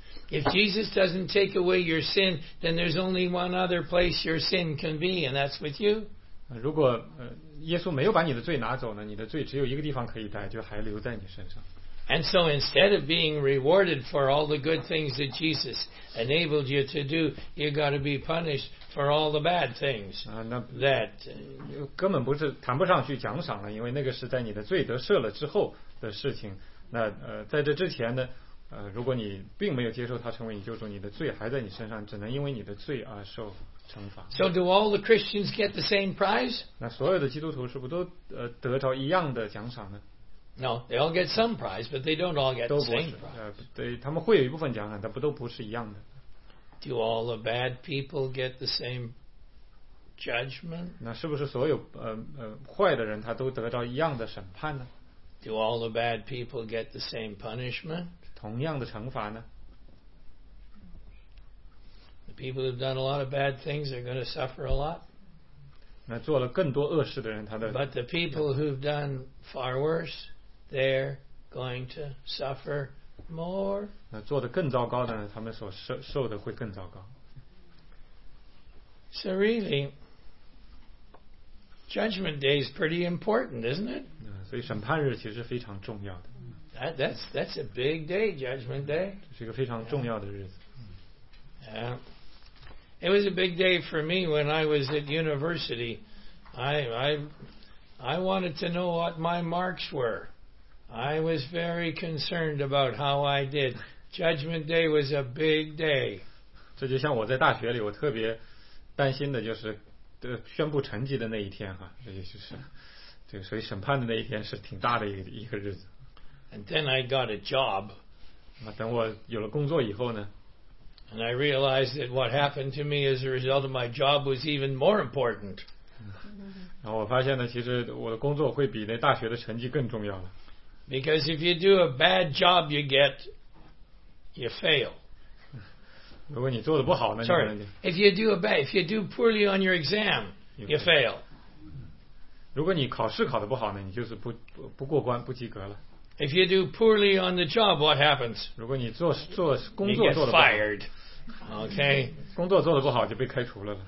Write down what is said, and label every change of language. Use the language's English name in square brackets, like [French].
[English] If Jesus doesn't take away your sin, then there's only one other place your sin can be, and that's with you. [Chinese] 如果耶稣没有把你的罪拿走呢，你的罪只有一个地方可以待，就还留在你身上。 [English] And so instead of being rewarded for all the good things that Jesus enabled you to do, you've got to be punished for all the bad things that [Chinese] 根本不是谈不上去奖赏了，因为那个是在你的罪得赦了之后的事情。那在这之前呢，如果你并没有接受他成为你救主，你的罪还在你身上，只能因为你的罪而受惩罚。 [English] So do all the Christians get the same prize? [Chinese] 那所有的基督徒是不都得着一样的奖赏呢？ [English] No, they all get some prize, but they don't all get the same prize. [Chinese] 对，他们会有一部分奖赏，但不都不是一样的。 [English] Do all the bad people get the same judgment? [Chinese] 那是不是所有坏的人他都得到一样的审判呢？ [English] Do all the bad people get the same punishment? [Chinese] 同样的惩罚呢？ [English] The people who've done a lot of bad things are going to suffer a lot. [Chinese] 那做了更多恶事的人，他的 [English] But the people who've done far worse. They're going to suffer more. [Chinese] 那做的更糟糕的呢？他们所受的会更糟糕。 [English] So really, Judgment Day is pretty important, isn't it? [Chinese] 所以审判日其实非常重要的。 [English] That's a big day, Judgment Day. [Chinese] 这是一个非常重要的日子。 [English] Yeah. It was a big day for me when I was at university. I wanted to know what my marks were. I was very concerned about how I did. Judgment Day was a big day. [Chinese] 这就像我在大学里，我特别担心的就是宣布成绩的那一天哈，也就是这个，所以审判的那一天是挺大的一个日子。 [English] And then I got a job. [Chinese] 等我有了工作以后呢 [English] ？And I realized that what happened to me as a result of my job was even more important. [Chinese] 然后我发现呢，其实我的工作会比那大学的成绩更重要了。 [English] Because if you do a bad job, you get, you fail. [Chinese] 如果你做得不好呢 [English] ？Sorry. If you do poorly on your exam, you fail. [Chinese] 如果你考试考得不好呢，你就是不过关，不及格了。 [English] If you do poorly on the job, what happens? [Chinese] 如果你做工作做得不好 [English] ，you get fired. Okay. [Chinese] 工作做得不好就被开除了。